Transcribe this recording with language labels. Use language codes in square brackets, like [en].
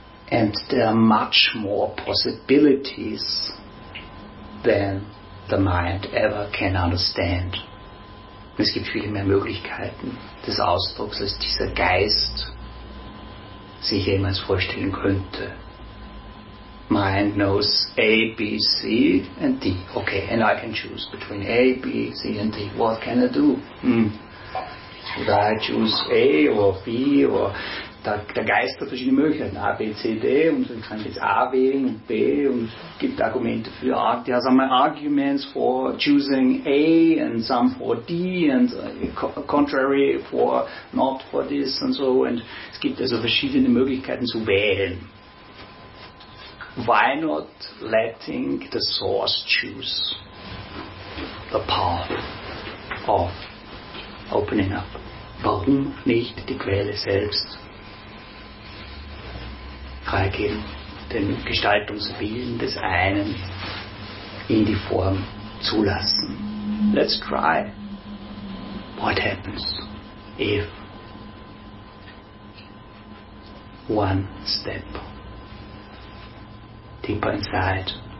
[en] And there are much more possibilities than the mind ever can understand. [de] Es gibt viel mehr Möglichkeiten des Ausdrucks, als dieser Geist sich jemals vorstellen könnte. [en] Mind knows A, B, C and D. Okay, and I can choose between A, B, C and D. What can I do? Should I choose A or B or... [de] Der Geist hat verschiedene Möglichkeiten, A, B, C, D, und dann kann ich jetzt A wählen und B, und es gibt Argumente für A, [en] there are some arguments for choosing A and some for D and contrary for not for this and so, [de] und es gibt also verschiedene Möglichkeiten zu wählen. [en] Why not letting the source choose the path of opening up? [de] Warum nicht die Quelle selbst freigeben, den Gestaltungswillen des einen in die Form zulassen. [en] Let's try. What happens if one step deeper inside?